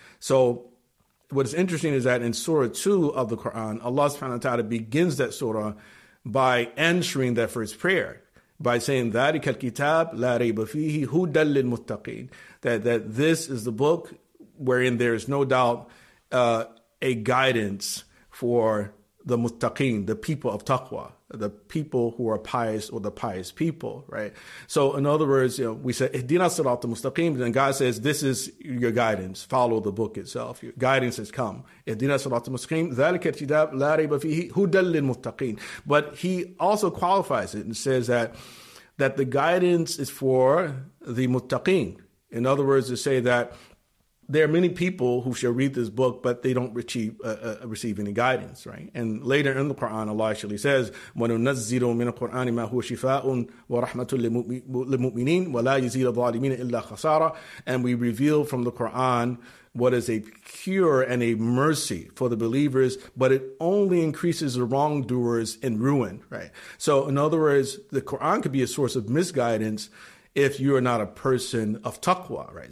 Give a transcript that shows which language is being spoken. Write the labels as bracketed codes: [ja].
[en] So what is interesting is that in Surah 2 of the Quran, Allah subhanahu wa ta'ala begins that surah by answering that first prayer, by saying, [ar] ذَلِكَ الْكِتَابِ لَا رَيْبَ فِيهِ هُدًى لِلْمُتَّقِينَ, [en] that this is the book wherein there is no doubt a guidance for the muttaqeen, the people of taqwa, the people who are pious, or the pious people, right? So in other words, you know, we say, [ar] اهدنا الصراط المستقيم, [en] and God says, this is your guidance, follow the book itself. Your guidance has come. [ar] اهدنا الصراط المستقيم, ذلك الكتاب لا ريب فيه, هدى للمتقين. [en] But he also qualifies it and says that the guidance is for the muttaqeen. In other words, to say that there are many people who shall read this book, but they don't receive any guidance, right? And later in the Quran, Allah actually says, [ar] وَنُنَزِّلُ مِنَ الْقُرْآنِ مَا هُوَ شِفَاءٌ وَرَحْمَةٌ لِلْمُؤْمِنِينَ وَلَا يَزِيدُ الظَّالِمِينَ إِلَّا خَسَارًا. [en] And we reveal from the Quran what is a cure and a mercy for the believers, but it only increases the wrongdoers in ruin, right? So in other words, the Quran could be a source of misguidance if you are not a person of taqwa, right?